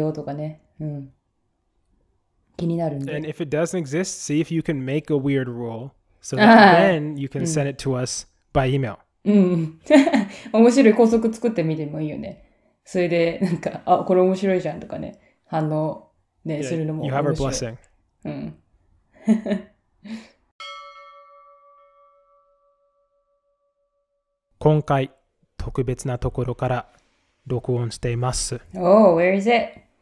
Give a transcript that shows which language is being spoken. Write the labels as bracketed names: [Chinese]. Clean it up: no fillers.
[Japanese] ね、ちょっと本当に送ってくださいよ。なんか私の学校こんな変な納得いかない校則があったよとかね。気になるんで。 [English] And if it doesn't exist, see if you can make a weird rule so that then you can send it to us by email. [Japanese] うん。面白い校則作ってみてもいいよね。それでなんか、あ、これ面白いじゃんとかね。反応ね、するのも面白い。 [English] You have our blessing. [Japanese] うん。今回、特別なところから録音しています。 [English] Oh, where is it?